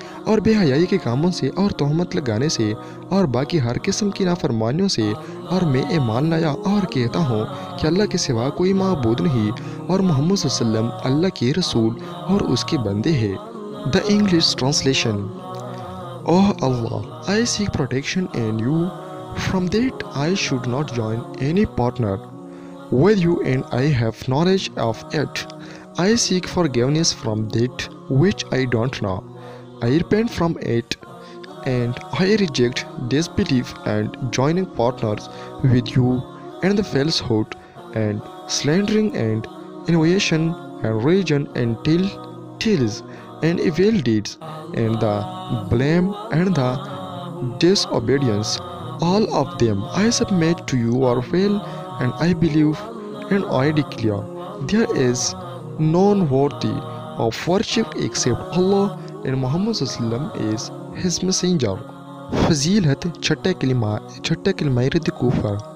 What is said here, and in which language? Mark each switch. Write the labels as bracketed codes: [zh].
[ur] اور بے حیائی کے کاموں سے اور تہمت لگانے سے اور باقی ہر قسم کی نافرمانیوں سے، اور میں ایمان لایا اور کہتا ہوں کہ اللہ کے سوا کوئی معبود نہیں اور محمد صلی اللہ علیہ وسلم اللہ کے رسول اور اس کے بندے ہیں۔ [en] The English translation: oh Allah, I seek protection in you, from that I should not join any partner with you and I have knowledge of it. I seek forgiveness from that which I don't know. I repent from it and I reject disbelief and joining partners with you and the falsehood and slandering and innovation and religion and tales and evil deeds and the blame and the disobedience. All of them I submit to your will and I believe and I declare there is none worthy of worship except Allah and Muhammad صلی اللہ علیہ وسلم is his messenger۔ [ur] فضیلت چھٹے کلمہ، چھٹے کلمہ رد کفر۔